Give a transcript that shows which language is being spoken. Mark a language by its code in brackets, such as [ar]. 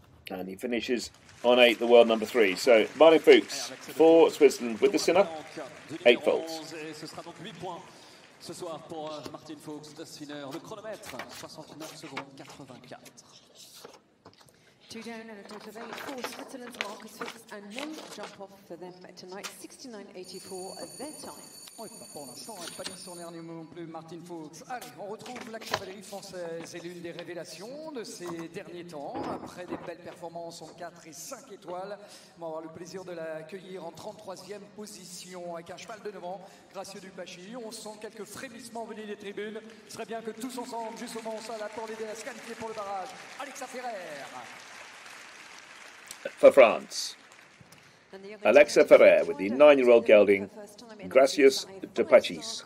[en] And he finishes on 8, the world number 3. So, Martin Fuchs for Switzerland with the Sinner, 8 faults. [fr] Ce sera donc 8 points ce soir pour Martin Fuchs, the Sinner. Le chronomètre, 69,84. [en] 2 down and a total of 8 for Switzerland's Marcus Fuchs, and no jump off for them tonight, 69,84 their time. [fr] Oui, pas pour l'instant, pas dit son dernier mot non plus, Martin Fuchs. Allez, on retrouve la cavalerie française et l'une des révélations de ces derniers temps, après des belles performances en 4 et 5 étoiles. On va avoir le plaisir de l'accueillir en 33e position avec un cheval de 9 ans, Gracieux du Pachy. On sent quelques frémissements venus des tribunes. Ce serait bien que tous ensemble, juste au moment où on attend l'aider à se qualifier pour le barrage, Alexa Ferrer. [en] For France. Alexa Ferrer with the 9-year-old gelding Gracieux du Pachy.